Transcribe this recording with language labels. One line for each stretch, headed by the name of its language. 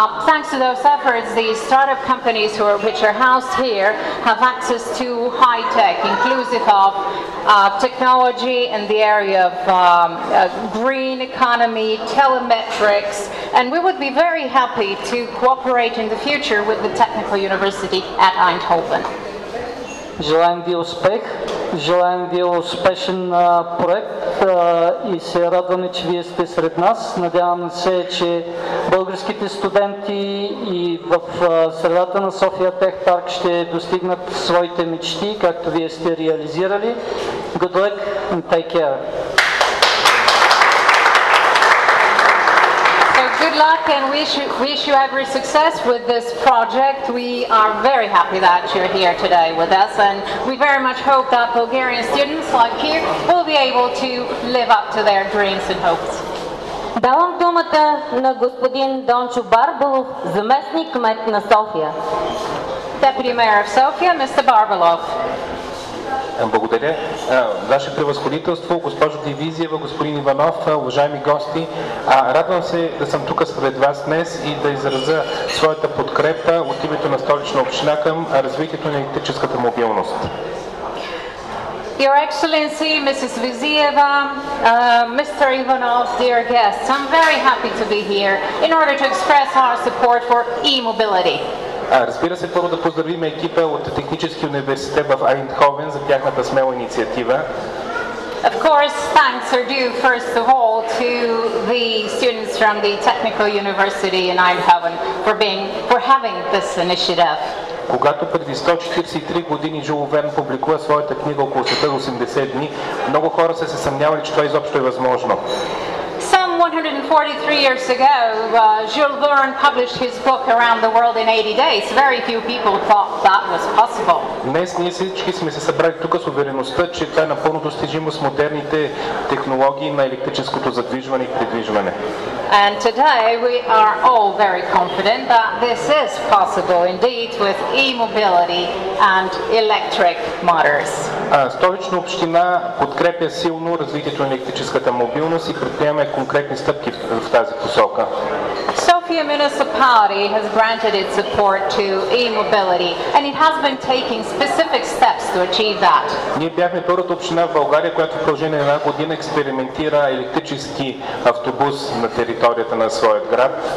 English: Thanks to those efforts, the startup companies which are housed here have access to high tech, inclusive of technology in the area of green economy, telemetrics, and we would be very happy to cooperate in the future with the Technical University at Eindhoven.
Bulgarian: Желаем ви успех, желаем ви успешен проект и се радваме, че вие сте сред нас. Надяваме се, че българските студенти и в средата на София Тех Парк ще достигнат своите мечти, както вие сте реализирали.
English: Good luck and take care. Good luck and wish you every success with this project. We are very happy that you're here today with us, and we very much hope that Bulgarian students like you will be able to live up to their dreams and hopes.
Bulgarian: Давам думата на господин Дончо Барбалов, заместник кмет на София.
English: Deputy Mayor of Sofia, Mr. Barbalov.
Bulgarian: Благодаря. Ваше превъзходителство, госпожо Дивизиева, господин Иванов, уважаеми гости, радвам се да съм тук сред вас днес и да изразя своята подкрепа от името на Столична община към развитието на електрическата мобилност.
English: Your Excellency, Mrs. Viziyeva, Mr. Ivanov, dear guests, I'm very happy to be here in order to express our support for e-mobility.
Bulgarian: Разбира се, първо да поздравим екипа от Технически университет в Айндховен за тяхната смела инициатива.
English: Of course, thanks are due first of all to the students from the Technical University in Eindhoven for having this initiative.
Bulgarian: Когато преди 143 години Жул Верн публикува своята книга около света 80 дни, много хора са се съмнявали, че това изобщо е възможно.
English: 143 years ago, Jules Verne published his book Around the World in 80 Days. Very few people thought that was possible.
Bulgarian: Днес ние всички сме се събрали тук с увереността, че това е напълно достижимо с модерните технологии на електрическото задвижване и придвижване.
English: And today we are all very confident that this is possible indeed with e-mobility and electric motors.
Bulgarian: Столична община подкрепя силно развитието на електрическата мобилност и предприемаме конкретни стъпки в тази посока.
English: Sofia Municipality has granted its support to e-mobility and it has been taking specific steps to achieve that.
Bulgarian: Ние бяхме първата община в България, която в продължение на една година експериментира електрически автобус на територията на своят град.